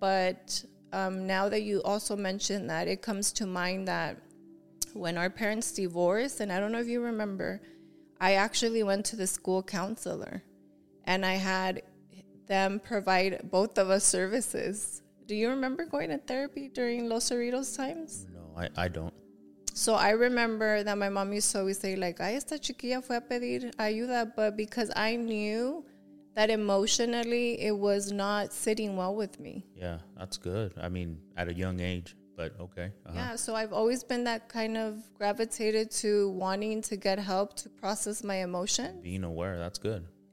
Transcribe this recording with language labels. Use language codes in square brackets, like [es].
[en] But now that you also mentioned that, it comes to mind that when our parents divorced, and I don't know if you remember, I actually went to the school counselor and I had them provide both of us services. Do you remember going to therapy during Los Cerritos times? No, I don't. So I remember that my mom used to always say, like, [es] ay, esta chiquilla fue a pedir ayuda. [en] But because I knew that emotionally it was not sitting well with me. Yeah, that's good. I mean, at a young age, but okay. Uh-huh. Yeah, so I've always been that kind of gravitated to wanting to get help to process my emotion. Being aware, that's good.